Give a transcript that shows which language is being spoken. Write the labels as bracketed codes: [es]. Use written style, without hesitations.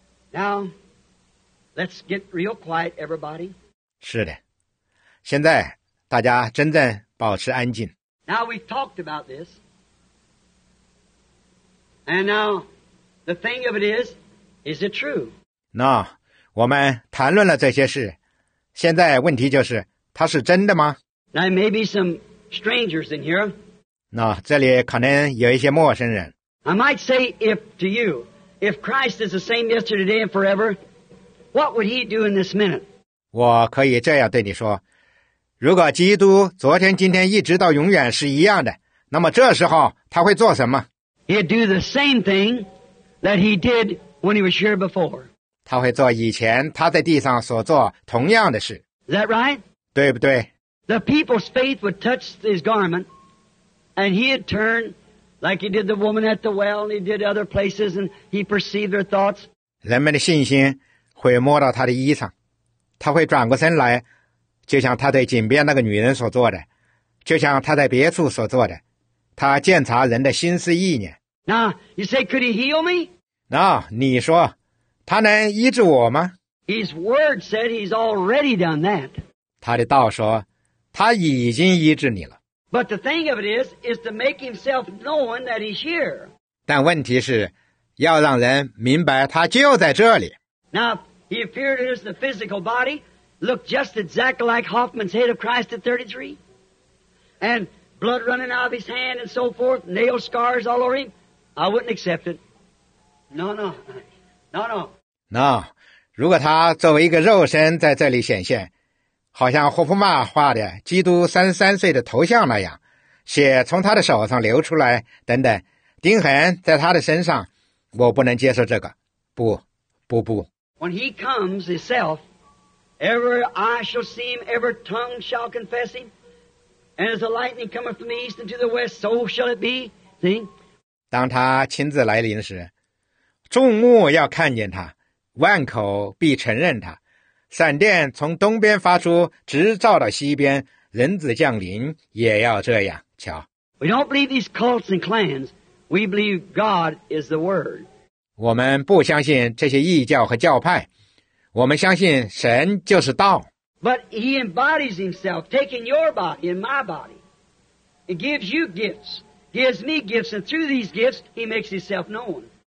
[en] Now, let's get real quiet, everybody. [zh] 是的。现在大家真正保持安静。 [en] Now we've talked about this. And now, the thing of it is it true? [zh] 那、no, 我们谈论了这些事，现在问题就是，它是真的吗？ [en] There may be some strangers in here. [zh] 那、no, 这里可能有一些陌生人。 [en] I might say if to you, if Christ is the same yesterday, today, and forever, what would he do in this minute? [zh] 我可以这样对你说，如果基督昨天今天一直到永远是一样的，那么这时候他会做什么？ [en] He'd do the same thing that he did when he was here before. [zh] 他会做以前他在地上所做同样的事。 [en] Is that right? [zh] 对不对？ [en] The people's faith would touch his garment, and he'd turn like he did the woman at the well, and he did other places, and he perceived their thoughts. [zh] 人们的信心会摸到他的衣裳，他会转过身来，就像他对井边那个女人所做的，就像他在别处所做的，他鉴察人的心思意念。 [en] Now, you say, could he heal me? [zh] Now, 你说，他能医治我吗？ [en] His word said he's already done that. [zh] 他的道说，他已经医治你了。 [en] But the thing of it is to make himself known that he's here. [zh] 但问题是，要让人明白他就在这里。 [en] Now, he appeared in the physical body, looked just exactly like Hoffman's head of Christ at 33. And blood running out of his hand and so forth, nail scars all over him. I wouldn't accept it. No. [zh] No, 如果他作为一个肉身在这里显现，好像霍夫曼画的基督33岁的头像那样，血从他的手上流出来等等，钉痕在他的身上，我不能接受这个。不。 [en] When he comes himself, every eye shall see him, every tongue shall confess him, and as the lightning cometh from the east into the west, so shall it be. See? [zh] 当他亲自来临时，众目要看见他，万口必承认他。闪电从东边发出，直照到西边，人子降临也要这样。瞧。 [en] We don't believe these cults and clans. We believe God is the Word. [zh] 我们不相信这些异教和教派，我们相信神就是道。 [en] But he embodies himself, taking your body and my body. He gives you gifts, gives me gifts, and through these gifts, he makes himself known.